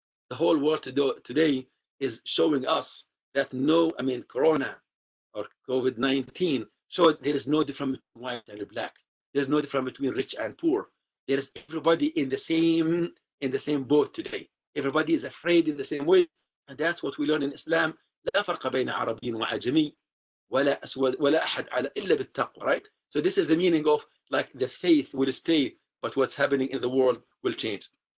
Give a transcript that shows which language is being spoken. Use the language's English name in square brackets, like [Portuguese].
[English] The whole world today is showing us that Corona or COVID-19 showed there is no difference between white and black. There's no difference between rich and poor. There is everybody in the same boat today. Everybody is afraid in the same way. And that's what we learn in Islam. [Arabic] لا فرق بين عربي وعجمي ولا أسود ولا أحد على إلا بالتقوى, [English] right? So this is the meaning of like the faith will stay, but what's happening in the world will change.